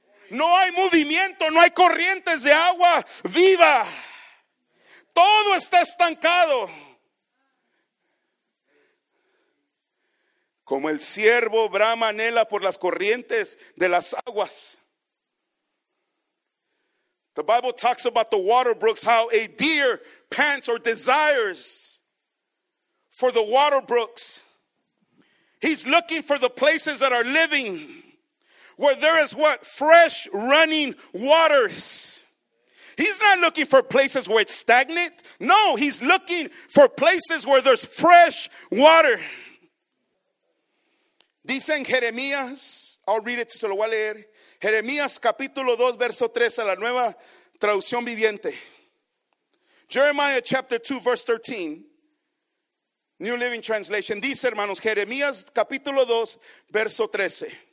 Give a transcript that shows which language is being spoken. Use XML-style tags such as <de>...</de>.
<es>No hay movimiento, no hay corrientes de agua viva. Todo está estancado. Como el ciervo brama, anhela por las corrientes de las aguas.</es> <en>The Bible talks about the water brooks, how a deer pants or desires for the water brooks. He's looking for the places that are living. Where there is what? Fresh running waters. He's not looking for places where it's stagnant. No, he's looking for places where there's fresh water.</en> <es>Dice en Jeremías,</es> <en>I'll read it,</en> <es>se lo voy a leer. Jeremías capítulo 2, verso 13, la nueva traducción viviente.</es> <en>Jeremiah chapter 2, verse 13. New Living Translation.</en> <es>Dice, hermanos, Jeremías capítulo 2, verso 13.</es>